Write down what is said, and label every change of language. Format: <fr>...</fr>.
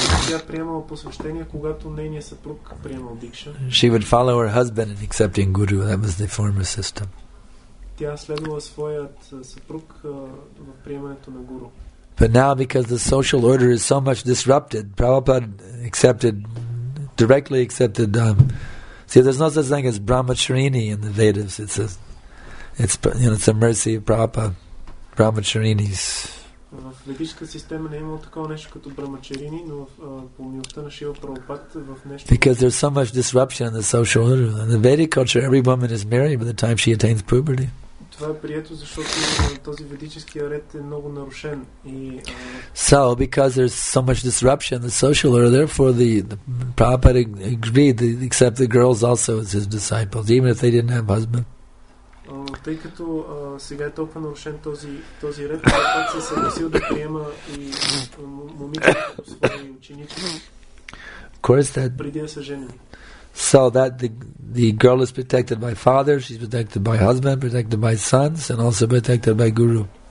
<bg>Тя приемала посвещение, когато нейният съпруг приемал дикша.</bg> <en>She would follow her husband in accepting guru. That was the former system.</en> <bg>Тя следвала своят съпруг в приемането на гуру.</bg> <en>But now, because the social order is so much disrupted, Prabhupada directly accepted. See, there's no such thing as brahmacharini in the Vedas. It's a mercy of Prabhupada, brahmacharinis.</en> <bg>В ведическа система не е имало такова нещо като брамачарини, но по милостта на Шива Прабхупад в нещо...</bg> <en>Because there's so much disruption in the social order. In the Vedic culture, every woman is married by the time she attains puberty.</en> <bg>Това е прието, защото този ведически ред е много нарушен.</bg> <en>So, because there's so much disruption in the social order, therefore the Prabhupada agreed to accept the girls also as his disciples, even if they didn't have husband.</en> <bg>Тъй като сега е толкова нарушен този ред, Прабхупад се съгласил да приема и момичето като свои ученички.</bg> <en>Of course that...</en> <bg>преди да са женени.</bg> <en>So that the girl is protected by father, she's protected by husband, protected by sons, and also protected by guru.</en>